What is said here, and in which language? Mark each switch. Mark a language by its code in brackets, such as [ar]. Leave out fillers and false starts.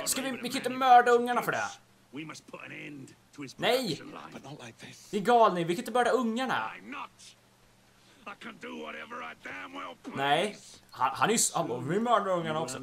[sv] Men ska vi inte mörda ungarna för det? [en] We must put an end to his. [sv] Nej, [en] but not like this. [sv] Ni galning, vi kan inte mörda ungarna. [en] I can do whatever I damn well please. [sv] Nej, han är så, han, vi mördar ungarna också.